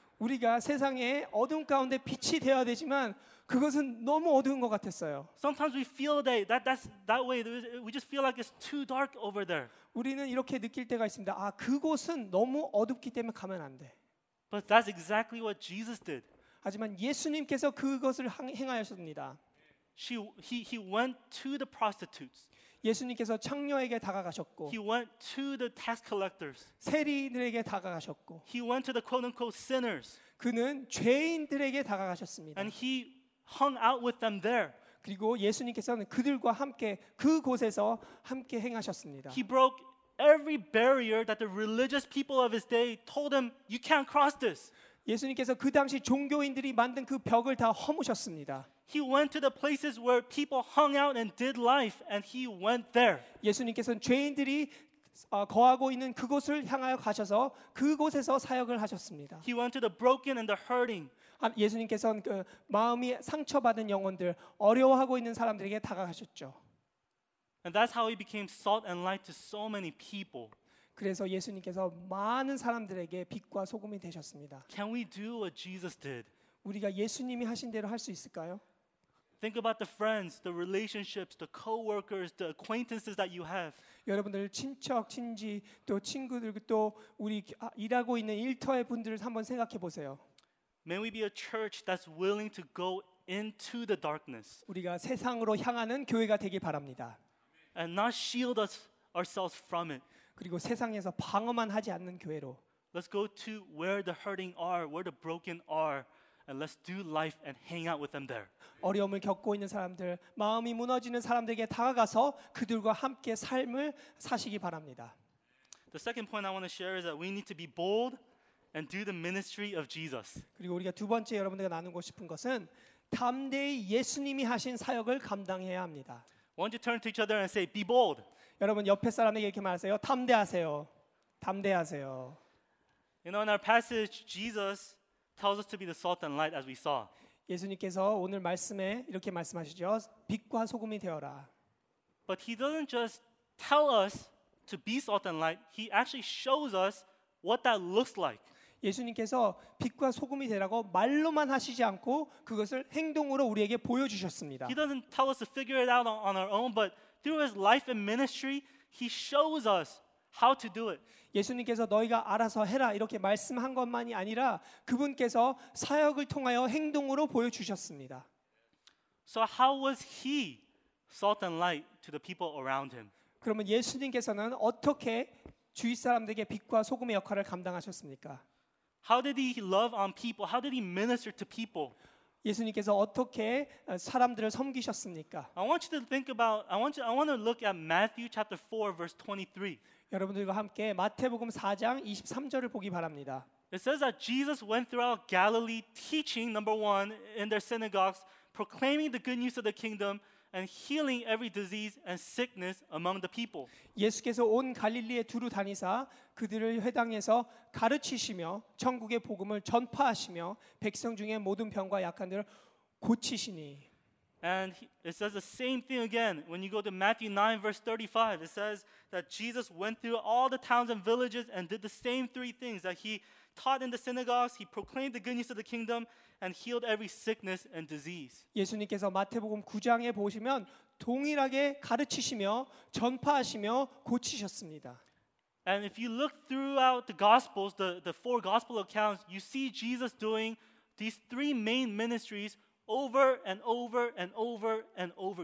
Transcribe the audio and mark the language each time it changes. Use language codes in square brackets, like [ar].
[ko] 우리가 세상의 어둠 가운데 빛이 되어야 되지만 그것은 너무 어두운 것 같았어요. [en] Sometimes we feel that way. We just feel like it's too dark over there. [ko] 우리는 이렇게 느낄 때가 있습니다. 아, 그곳은 너무 어둡기 때문에 가면 안 돼. [en] But that's exactly what Jesus did. [ko] 하지만 예수님께서 그것을 행하셨습니다. [en] He went to the prostitutes. [ko] 예수님께서 창녀에게 다가가셨고, [en] He went to the tax collectors. [ko] 세리들에게 다가가셨고, [en] He went to the quote-unquote sinners. [ko] 그는 죄인들에게 다가가셨습니다. [en] And he hung out with them there. [ko] 그리고 예수님께서는 그들과 함께 그곳에서 함께 행하셨습니다. [en] He broke every barrier that the religious people of his day told him you can't cross this. [ko] 예수님께서 그 당시 종교인들이 만든 그 벽을 다 허무셨습니다. [en] He went to the places where people hung out and did life and he went there. [ko] 예수님께서는 죄인들이 거하고 있는 그곳을 향하여 가셔서 그곳에서 사역을 하셨습니다. [en] He went to the broken and the hurting. [ko] 예수님께서는 그 마음이 상처받은 영혼들, 어려워하고 있는 사람들에게 다가가셨죠. [en] And that's how he became salt and light to so many people. [ko] 그래서 예수님께서 많은 사람들에게 빛과 소금이 되셨습니다. [en] Can we do what Jesus did? [ko] 우리가 예수님이 하신 대로 할 수 있을까요? [en] Think about the friends, the relationships, the co-workers, the acquaintances that you have. [ko] 여러분들 친척, 친지, 또 친구들, 또 우리 일하고 있는 일터의 분들을 한번 생각해 보세요. [en] May we be a church that's willing to go into the darkness. [ko] 우리가 세상으로 향하는 교회가 되길 바랍니다. [en] And not shield us ourselves from it. [ko] 그리고 세상에서 방어만 하지 않는 교회로. [en] Let's go to where the hurting are, where the broken are, and let's do life and hang out with them there. [ko] 어려움을 겪고 있는 사람들, 마음이 무너지는 사람들에게 다가가서 그들과 함께 삶을 사시기 바랍니다. [en] The second point I want to share is that we need to be bold and do the ministry of Jesus. [ko] 그리고 우리가 두 번째 여러분들과 나누고 싶은 것은 담대히 예수님이 하신 사역을 감당해야 합니다. [en] Why don't you turn to each other and say, "Be bold." [ko] 여러분 옆에 사람에게 이렇게 말하세요. 담대하세요. 담대하세요. [en] You know, in our passage, Jesus tells us to be the salt and light, as we saw. [ko] 예수님께서 오늘 말씀에 이렇게 말씀하시죠. 빛과 소금이 되어라. [en] But he doesn't just tell us to be salt and light. He actually shows us what that looks like. [ko] 예수님께서 빛과 소금이 되라고 말로만 하시지 않고 그것을 행동으로 우리에게 보여주셨습니다. [en] He doesn't tell us to figure it out on our own, but through his life and ministry, he shows us how to do it. [ko] 예수님께서 너희가 알아서 해라 이렇게 말씀한 것만이 아니라 그분께서 사역을 통하여 행동으로 보여주셨습니다. [en] So how was he salt and light to the people around him? [ko] 그러면 예수님께서는 어떻게 주위 사람들에게 빛과 소금의 역할을 감당하셨습니까? [en] How did he love on people? How did he minister to people? [ko] 예수님께서 어떻게 사람들을 섬기셨습니까? [en] I want you to think about. I want to look at Matthew chapter 4, verse 23. [ko] 여러분들과 함께 마태복음 4장 23절을 보기 바랍니다. [en] It says that Jesus went throughout Galilee, teaching number one in their synagogues, proclaiming the good news of the kingdom. And healing every disease and sickness among the people. [ko] 예수께서 온 갈릴리에 두루 다니사 그들을 회당에서 가르치시며 천국의 복음을 전파하시며 백성 중에 모든 병과 약한들을 고치시니. [en] And it says the same thing again when you go to Matthew 9 verse 35. It says that Jesus went through all the towns and villages and did the same three things that he taught in the synagogues. He proclaimed the good news of the kingdom. And healed every sickness and disease. [ko] 예수님께서 마태복음 9장에 보시면 동일하게 가르치시며 전파하시며 고치셨습니다. [en] And if you look throughout the Gospels, the four Gospel accounts, you see Jesus doing these three main ministries over and over and over and over.